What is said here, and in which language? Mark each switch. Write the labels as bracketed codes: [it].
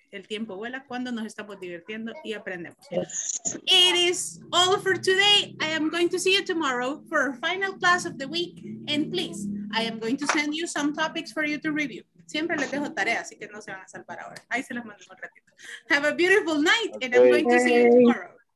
[es] El tiempo vuela cuando nos estamos divirtiendo y aprendemos. [en] Yes. It is all for today. I am going to see you tomorrow for our final class of the week. And please, I am going to send you some topics for you to review. [es] Siempre les dejo tarea, así que no se van a salvar ahora. Ahí se las mando un ratito. [en] Have a beautiful night and I'm going to see you tomorrow.